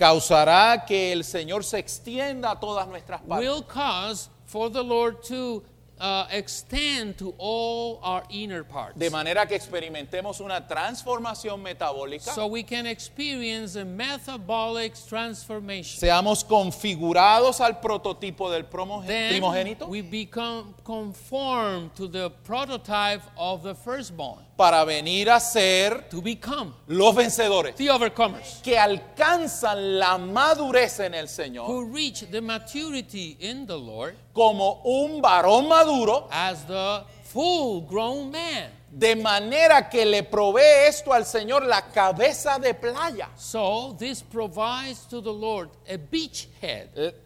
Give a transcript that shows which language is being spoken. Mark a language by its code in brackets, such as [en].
[es] causará que el Señor se extienda a todas nuestras partes, [en] will cause for the Lord to extend to all our inner parts, [es] de manera que experimentemos una transformación metabólica, [en] so we can experience a metabolic transformation, [es] seamos configurados al prototipo del primogénito, [en] we become conformed to the prototype of the firstborn, [es] para venir a ser, [en] to become, [es] los vencedores, [en] the overcomers, [es] que alcanzan la madurez en el Señor, [en] who reach the maturity in the Lord, [es] como un varón maduro, [en] as the full grown man, [es] de manera que le provee esto al Señor la cabeza de playa, [en] so this provides to the Lord a beachhead,